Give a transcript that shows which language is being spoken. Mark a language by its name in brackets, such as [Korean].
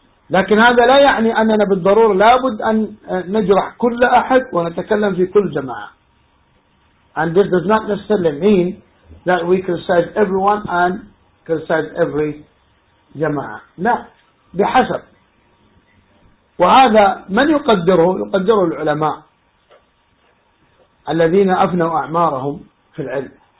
[Arabic] لكن هذا لا يعني أننا بالضرورة لابد أن نجرح كل أحد ونتكلم في كل جماعة. [English] And this does not necessarily mean that we criticize everyone and criticize every جماعة. [Arabic] لا بحسب. وهذا من يقدره؟ يقدره العلماء الذين أفنوا أعمارهم في العلم.